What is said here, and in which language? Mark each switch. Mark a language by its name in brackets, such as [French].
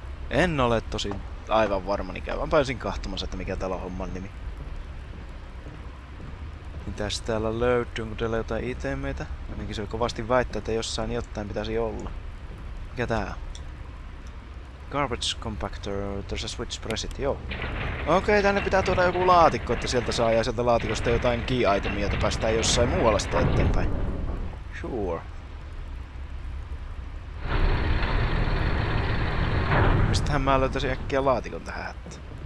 [Finnish] En ole tosi aivan varma, niin käyvän pääsin kahtomassa, että mikä täällä on homman nimi. Mitäs täällä löytyy, onko täällä jotain itemeitä? Ainakin se on kovasti väittää, että jossain jotain pitäisi olla. Mikä tää on? [English] Garbage compactor, there's a switch preset, [Finnish] joo. Okei, tänne pitää tuoda joku laatikko, että sieltä saa ja sieltä laatikosta jotain key itemia, että päästään jossain muualla sitä eteenpäin. [English] Sure. [Finnish] Mistähän mä löytäisin äkkiä laatikon tähän, että...